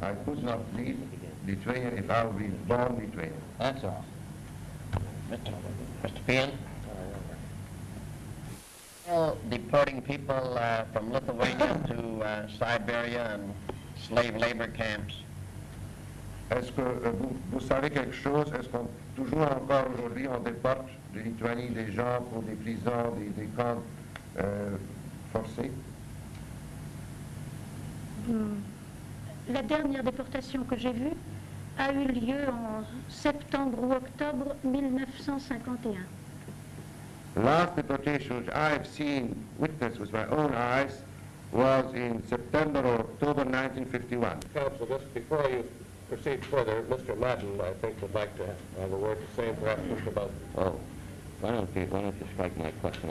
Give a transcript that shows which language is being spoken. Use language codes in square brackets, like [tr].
[en] I could not leave Lithuania if I were born Lithuanian. That's all. Mr. Peel? Well, deporting people from Lithuania to Siberia and slave labor camps. [fr] Est-ce que vous savez quelque chose? Est-ce qu'on toujours encore aujourd'hui on déporte de Lituanie des gens pour des prisons, des camps forcés? La dernière déportation que j'ai vue a eu lieu en septembre ou octobre 1951. [en] Last deportation which I have seen, witnessed with my own eyes, was in September or October 1951. Counsel, just before you proceed further, Mr. Madden, I think, would like to have a word to say, perhaps, just about... Oh, why don't you strike my question?